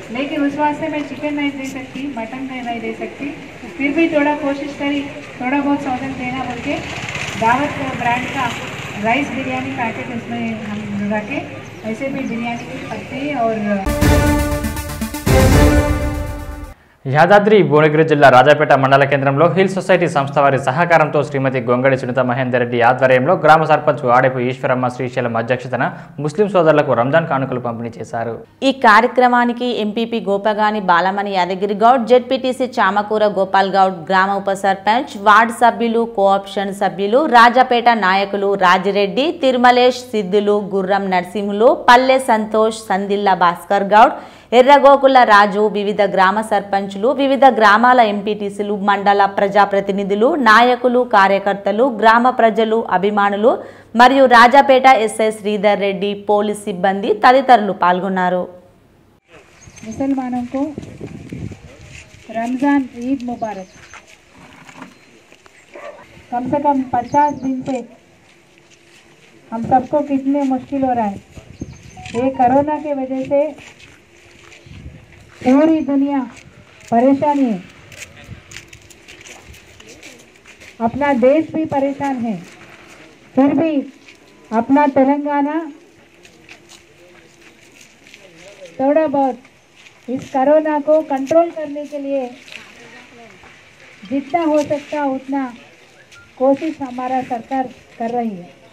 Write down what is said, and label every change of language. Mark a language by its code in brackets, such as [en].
[hi] लेकिन उस वास्ते मैं चिकन नहीं दे सकती, मटन नहीं दे सकती, फिर भी थोड़ा कोशिश करी, थोड़ा बहुत सौदन देना बोल के दावत ब्रांड का राइस बिरयानी पैकेट उसमें हम रखें. वैसे भी बिरयानी की पत्ते और [te] యాదాద్రి భువనగిరి జిల్లా రాజాపేట మండల కేంద్రంలో హిల్ సొసైటీ సంస్థ వారి సహకారంతో శ్రీమతి గొంగడి సునీత మహేందర్ రెడ్డి ఆధ్వర్యంలో గ్రామ సర్పంచ్ ఆడేపు ఈశ్వరమ్మ శ్రీశైలం అధ్యక్షతన ముస్లిం సోదరులకు రంజాన్ కానుకలు పంపిణీ చేశారు. ఈ కార్యక్రమానికి ఎంపీపీ గోపగాని బాలమణి యాదగిరి గౌడ్, జెడ్పీటీసీ చామకూర గోపాల్ గౌడ్, గ్రామ ఉప సర్పంచ్, వార్డ్ సభ్యులు, కోఆప్షన్ సభ్యులు, రాజాపేట నాయకులు రాజిరెడ్డి, తిరుమలేష్ సిద్ధులు, గుర్రం నరసింహులు, పల్లె సంతోష్, సందిల్ల భాస్కర్ గౌడ్, ఎర్రగోకుల రాజు, వివిధ గ్రామ సర్పంచులు, వివిధ గ్రామాల ఎంపీటీసీలు, మండల ప్రజాప్రతినిధులు, నాయకులు, కార్యకర్తలు, గ్రామ ప్రజలు, అభిమానులు మరియు రాజాపేట ఎస్ఐ శ్రీధర్ రెడ్డి, పోలీస్ సిబ్బంది తదితరులు పాల్గొన్నారు. ముసల్మానుకు Ramzan Eid Mubarak. [hi] Come say come 50 దిన్ పే హమ్ సబ్కో కిత్నే ముష్కిల్ హో రహా హై. యే కరోనా కే వజహ సే पूरी दुनिया परेशान है, अपना देश भी परेशान है, फिर भी अपना तेलंगाना थोड़ा बहुत इस कोरोना को कंट्रोल करने के लिए जितना हो सकता उतना कोशिश हमारा सरकार कर रही है.